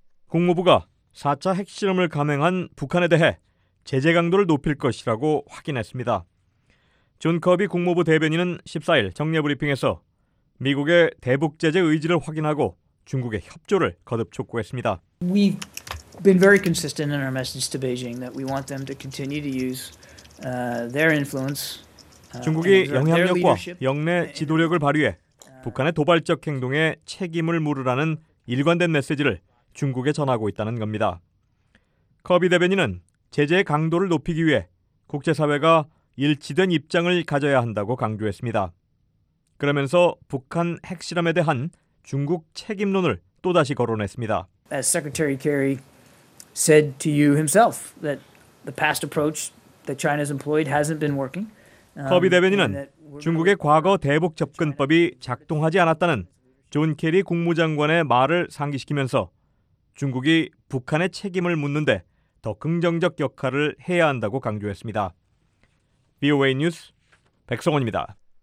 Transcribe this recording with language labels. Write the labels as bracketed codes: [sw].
[ko] 국무부가 4차 핵실험을 감행한 북한에 대해 제재 강도를 높일 것이라고 확인했습니다. 존 커비 국무부 대변인은 14일 정례 브리핑에서 미국의 대북 제재 의지를 확인하고 중국의 협조를 거듭 촉구했습니다. [en] We've been very consistent in our message to Beijing that we want them to continue to use their influence. [ko] 중국이 영향력과 역내 지도력을 발휘해 북한의 도발적 행동에 책임을 물으라는 일관된 메시지를 중국에 전하고 있다는 겁니다. 커비 대변인은 제재의 강도를 높이기 위해 국제사회가 일치된 입장을 가져야 한다고 강조했습니다. 그러면서 북한 핵실험에 대한 중국 책임론을 또다시 거론했습니다. [en] As Secretary Kerry said to you himself that the past approach that China's employed hasn't been working. [ko] 커비 대변인은 중국의 과거 대북 접근법이 작동하지 않았다는 존 케리 국무장관의 말을 상기시키면서 중국이 북한의 책임을 묻는데 더 긍정적 역할을 해야 한다고 강조했습니다. VOA 뉴스 백성원입니다.